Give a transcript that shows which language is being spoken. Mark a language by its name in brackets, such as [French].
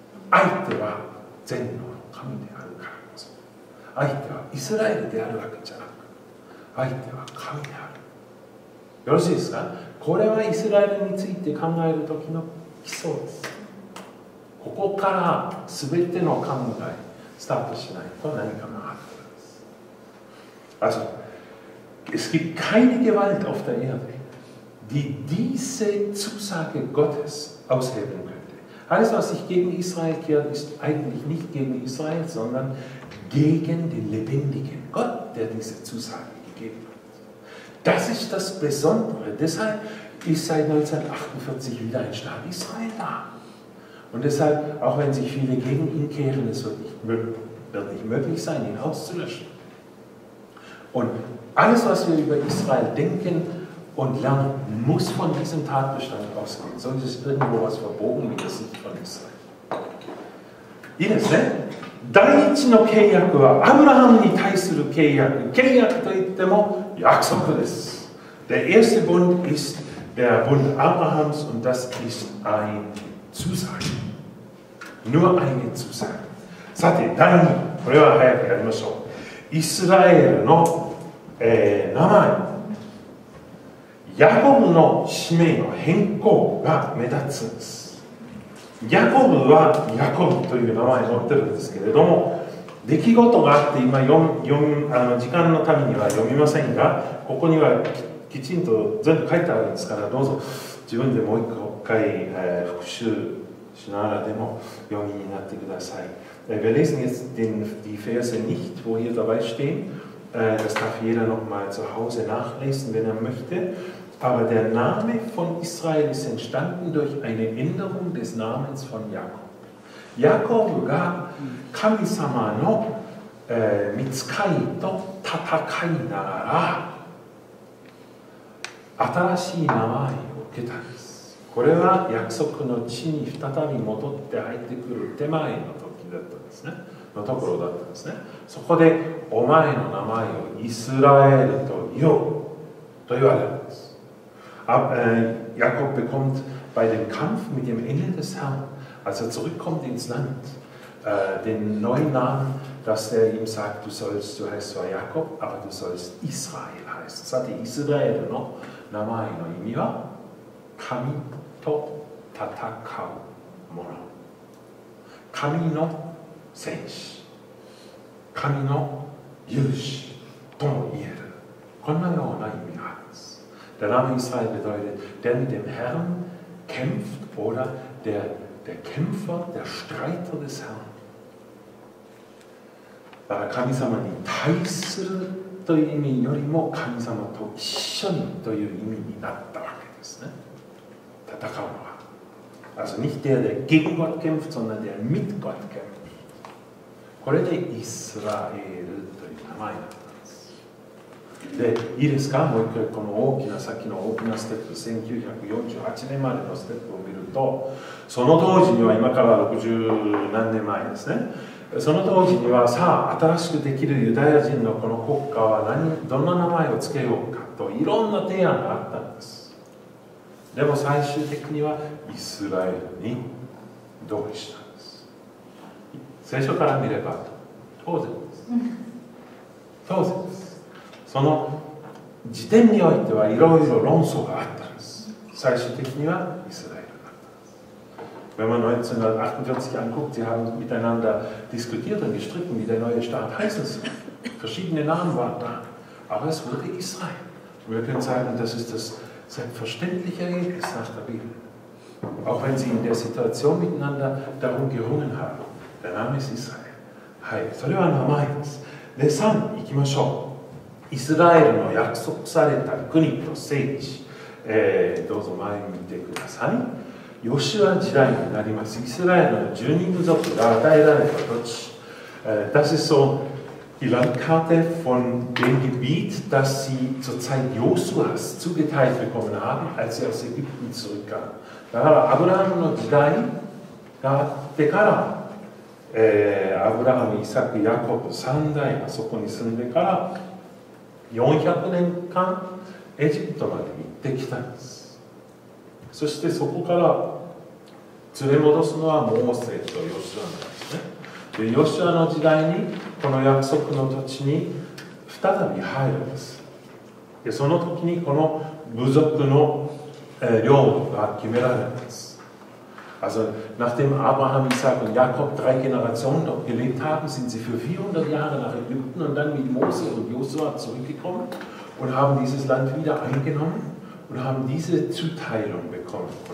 [Japanese] 相手は全能の神であるからこそ、相手はイスラエルであるわけじゃなく、相手は神である。よろしいですか？これはイスラエルについて考えるときの基礎です。ここから全ての考えスタートしないと何かがあるからです。 [German] Also es gibt keine Gewalt auf der Erde,die diese Zusage Gottes aushebeln könnte. Alles, was sich gegen Israel kehrt, ist eigentlich nicht gegen Israel, sondern gegen den lebendigen Gott, der diese Zusage gegeben hat. Das ist das Besondere. Deshalb ist seit 1948 wieder ein Staat Israel da. Und deshalb, auch wenn sich viele gegen ihn kehren, es wird nicht möglich sein, ihn auszulöschen. Und alles, was wir über Israel denken,Und Lernen muss von diesem Tatbestand ausgehen. Sonst ist irgendwo was verbogen, wie das nicht von Israel. [Japanese] いいですね。第一の契約はアブラハムに対する契約。契約といっても約束です。 [German] Der erste Bund ist der Bund Abrahams und das ist eine Zusage. Nur eine Zusage. [Japanese] さて、第二、これは早くやりましょう。イスラエルの、名前。ヤコブの使命の変更が目立つんです。ヤコブはヤコブという名前を持ってるんですけれども、出来事があって今時間のためには読みませんが、ここには きちんと全部書いてあるんですから、どうぞ自分でもう一回、復習 Schnara demo, Jomini natte gudasai. [German] Wir lesen jetzt die Verse nicht, wo hier dabei stehen. Das darf jeder nochmal zu Hause nachlesen, wenn er möchte. Aber der Name von Israel ist entstanden durch eine Änderung des Namens von Jakob. [Japanese] Jakob ga kamisama no mitsukai to tatakai nara atarashii namae o uketa desu. これは約束の地に再び戻って入ってくる手前の時だったんですね。のところだったんですね。そこでお前の名前をイスラエルと言おうと言われるんです。 [German] Jakob bekommt bei dem Kampf mit dem Engel des Herrn, als er zurückkommt ins Land, den neuen Namen, dass er ihm sagt, du heißt zwar Jakob, aber du sollst Israel heißen. Das hatte [Japanese] Israel の名前の意味は神と戦うもの。神の戦士。神の勇士とも言える。こんなような意味があります。 [German] Der Name Israel bedeutet, der mit dem Herrn kämpft oder der Kämpfer, der Streiter des Herrn. [Japanese] 神様に対するという意味よりも神様と一緒にという意味になったわけですね。戦うのは。 [German] Also nicht der, der gegen Gott kämpft, sondern der mit Gott kämpft. [Japanese] これでイスラエルという名前だ。でいいですか、もう一回この大きな、さっきの大きなステップ、1948年までのステップを見ると、その当時には、今から60何年前ですね、その当時には、さあ、新しくできるユダヤ人のこの国家は何、どんな名前をつけようかといろんな提案があったんです。でも最終的には、イスラエルに同意したんです。聖書から見れば、当然です。当然です。その時点においてはいろいろ論争があったんです。最終的にはイスラエルだったんです。 [German] Wenn man 1948 anguckt, sie haben miteinander diskutiert und gestritten, wie der neue Staat heißen soll. Verschiedene Namen waren da, aber es wurde Israel. Wir können sagen, das ist das selbstverständliche Ergebnis nach der Bibel. Auch wenn sie in der Situation miteinander darum gerungen haben. Der Name ist Israel. [Japanese] Hi, それは名前です。で、さん、行きましょう。イスラエルの約束された国と聖地、どうぞ前に見てください。ヨシュア時代になります。イスラエルの十二部族が与えられた土地、 [German] das ist so die Landkarte von dem Gebiet, das sie zur Zeit Josuas zugeteilt bekommen haben, als sie aus Ägypten zurückkamen. [Japanese] だからアブラハムの時代があってから、アブラハム、イサク、ヤコブ三代がそこに住んでから400年間エジプトまで行ってきたんです。そしてそこから連れ戻すのはモーセとヨシュアなんですね。でヨシュアの時代にこの約束の土地に再び入るんです。でその時にこの部族の領土が決められるんです。 [German] Also nachdem Abraham, Isaac und Jakob drei Generationen dort gelebt haben, sind sie für 400 Jahre nach Ägypten und dann mit Mose und Josua zurückgekommen und haben dieses Land wieder eingenommen und haben diese Zuteilung bekommen.